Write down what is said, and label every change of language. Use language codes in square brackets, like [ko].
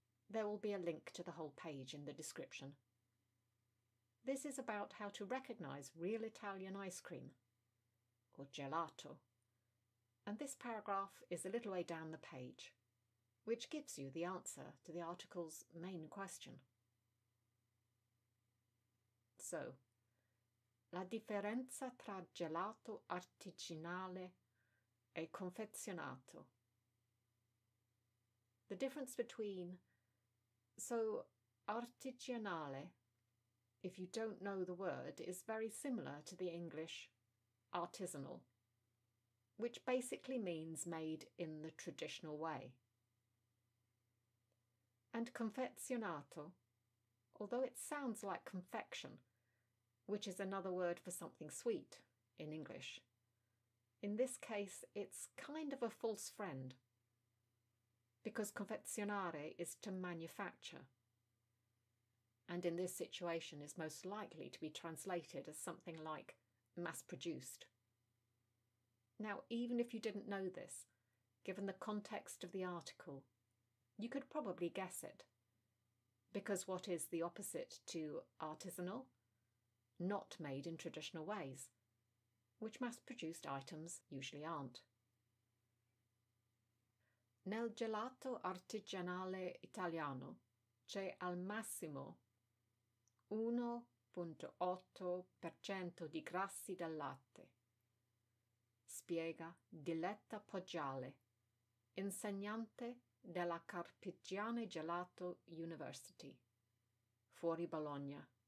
[en] There will be a link to the whole page in the description. This is about how to recognise real Italian ice cream, or gelato. And this paragraph is a little way down the page, which gives you the answer to the article's main question. So, [it] la differenza tra gelato artigianale e confezionato. [en] The difference between, so artigianale, if you don't know the word, is very similar to the English artisanal, which basically means made in the traditional way. And confezionato, although it sounds like confection, which is another word for something sweet in English, in this case, it's kind of a false friend, because confezionare is to manufacture, and in this situation is most likely to be translated as something like mass-produced. Now, even if you didn't know this, given the context of the article, you could probably guess it, because what is the opposite to artisanal? Not made in traditional ways, which mass-produced items usually aren't. [it] Nel gelato artigianale italiano c'è al massimo 1.8% di grassi del latte, spiega Diletta Poggiale, insegnante della Carpigiane Gelato University, fuori Bologna.